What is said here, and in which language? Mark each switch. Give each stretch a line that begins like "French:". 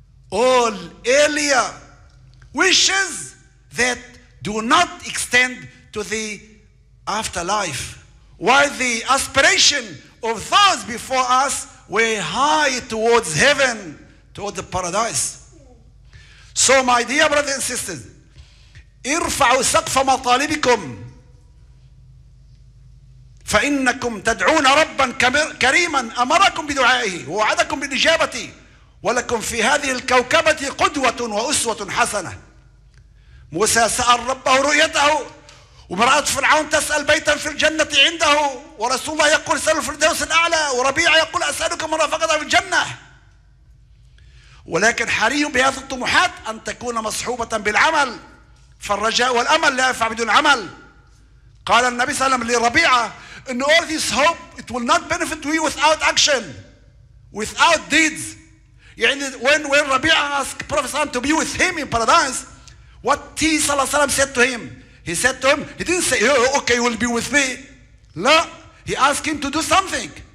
English: all earlier wishes that do not extend to the afterlife, while the aspiration of those before us were high towards heaven, toward the paradise. So my dear brothers and sisters,
Arabic: ارفعوا سقف مطالبكم فإنكم تدعون ربا كريما أمركم بدعائه ووعدكم بالإجابتي ولكم في هذه الكوكبة قدوة وأسوة حسنة. موسى سأل ربه رؤيته ومرأة فرعون تسأل بيتا في الجنة عنده ورسول الله يقول سأل الفردوس الأعلى وربيع يقول أسألك من رافقك في الجنة. ولكن حري بهذه الطموحات أن تكون مصحوبة بالعمل، فالرجاء والأمل لا ينفع بدون عمل. قال النبي صلى الله عليه وسلم لربيعة إن
English: all this hope it will not benefit you without action, without deeds. يعني when ربيعة asked Prophet صلى الله عليه وسلم to be with him in paradise, what he صلى الله عليه وسلم said to him? He said to him, he didn't say, oh, okay, you will be with me. No, he asked him to do something.